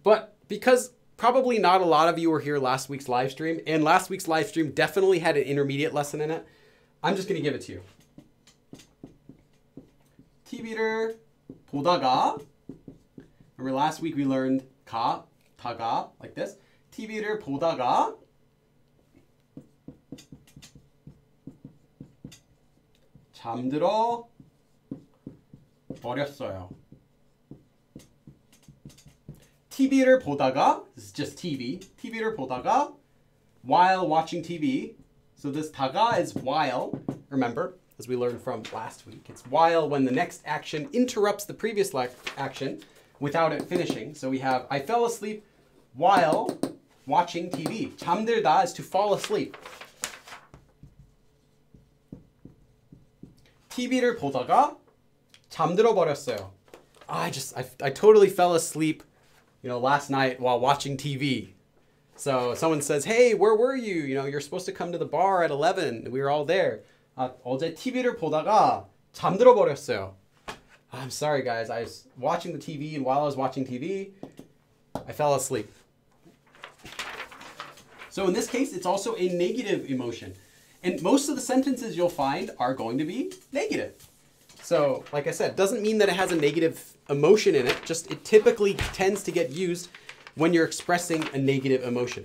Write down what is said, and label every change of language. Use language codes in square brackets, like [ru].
[en] But because probably not a lot of you were here last week's live stream, and last week's live stream definitely had an intermediate lesson in it, I'm just gonna give it to you. [ko] TV를 보다가, [en] remember last week we learned 가, 다가, like this. [ko] TV를 보다가, 잠들어 버렸어요. TV를 보다가, [en] this is just TV. TV를 보다가, while watching TV. So this 다가 is while, remember, as we learned from last week. It's while when the next action interrupts the previous action without it finishing. So we have, I fell asleep while watching TV. 잠들다 is to fall asleep. [ko] TV를 보다가 잠들어 버렸어요. [en] I totally fell asleep, you know, last night while watching TV. So someone says, hey, where were you? You know, you're supposed to come to the bar at 11. We were all there. [ko] 어제 TV를 보다가 잠들어 버렸어요. [en] I'm sorry, guys. I was watching the TV, and while I was watching TV, I fell asleep. So in this case, it's also a negative emotion. And most of the sentences you'll find are going to be negative. So, like I said, doesn't mean that it has a negative emotion in it, just it typically tends to get used when you're expressing a negative emotion.